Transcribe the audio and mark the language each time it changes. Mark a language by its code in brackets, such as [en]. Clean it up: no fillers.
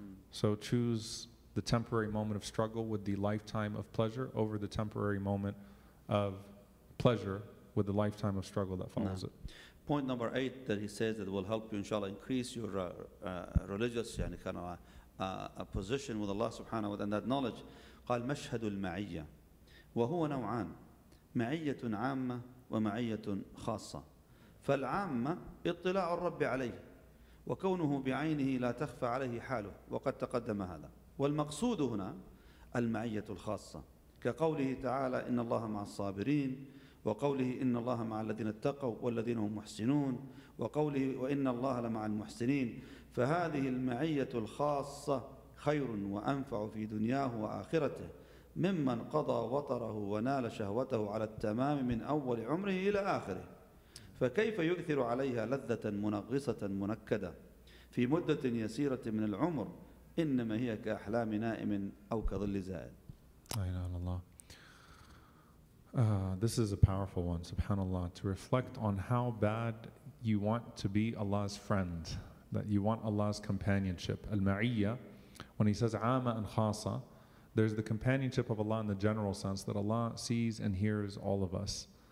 [en] So choose the temporary moment of struggle with the lifetime of pleasure over the temporary moment of pleasure with the lifetime of struggle that follows it. Point number eight that he says that will help you, inshallah, increase your religious yani kind of a position with Allah subhanahu wa ta'ala, that knowledge. [ar] قال مشهد المعية وهو نوعان معية عامة ومعية خاصة فالعامة اطلاع الرب عليه وكونه بعينه لا تخفى عليه حاله وقد تقدم هذا والمقصود هنا المعية الخاصة كقوله تعالى إن الله مع الصابرين وقوله إن الله مع الذين اتقوا والذين هم محسنون وقوله وإن الله لمع المحسنين فهذه المعية الخاصة خير وأنفع في دنياه وآخرته ممن قضى وطره ونال شهوته على التمام من أول عمره إلى آخره فكيف يؤثر عليها لذة منغصة منكدة في مدة يسيرة من العمر إنما هي كأحلام نائم أو كظل زائل. أين الله. [en] This is a powerful one, subhanAllah, to reflect on how bad you want to be Allah's friend, that you want Allah's companionship. Al-Ma'iyya, when he says Ama and Khasa, there's the companionship of Allah in the general sense, that Allah sees and hears all of us.